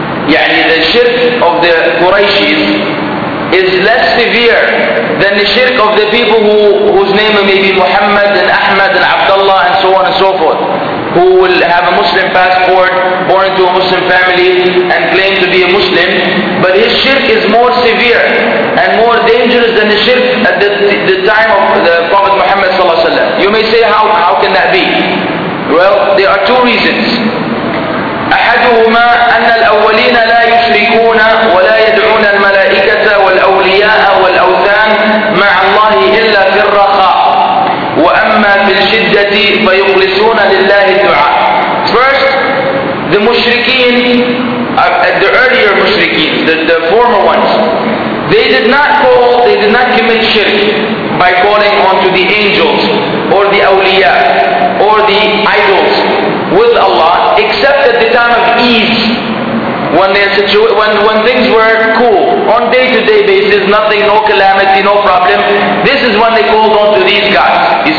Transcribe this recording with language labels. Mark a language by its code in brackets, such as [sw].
[en] Yani the shirk of the Qurayshis is less severe than the shirk of the people whose name may be Muhammad and Ahmad and Abdullah and so on and so forth, who will have a Muslim passport, born into a Muslim family and claim to be a Muslim. But his shirk is more severe and more dangerous than the shirk at the time of the Prophet Muhammad sallallahu alaihi wasallam. You may say, how can that be? Well, there are two reasons. [ar] أحدهما أن الأولين لا يشركون ولا يدعون الملائكة والأولياء والأوثان مع الله إلا في الرخاء وأما في الشدة فيخلصون لله الدعاء. [en] First, the mushrikeen, the earlier mushrikeen, the former ones, they did not commit shirk by calling onto the angels or the awliya or the idols with Allah, except at the time of ease, when things were cool, on day-to-day basis, nothing, no calamity, no problem. This is when they called on to these guys, you